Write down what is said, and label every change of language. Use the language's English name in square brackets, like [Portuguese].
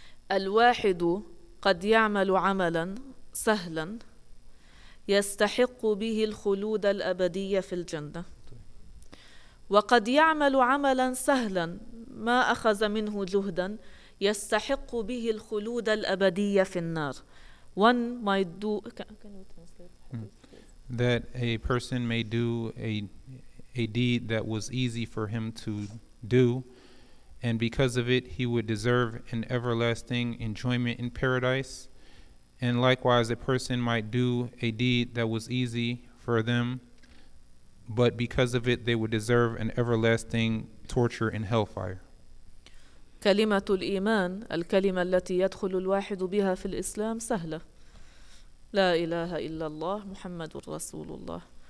[Arabic] الواحد قد يعمل عملا سهلا يستحق به الخلود الأبدي في الجنة وقد يعمل عملا سهلا ما أخذ منه جهدا يستحق به الخلود الأبدي في النار. [English] One might do, can you translate? That a person may do a deed that was easy for him to do, and because of it, he would deserve an everlasting enjoyment in paradise. And likewise, a person might do a deed that was easy for them, but because of it, they would deserve an everlasting torture in hellfire. [Arabic] كلمة الإيمان, الكلمة التي يدخل الواحد بها في الإسلام سهلة. لا إله إلا الله محمد رسول الله.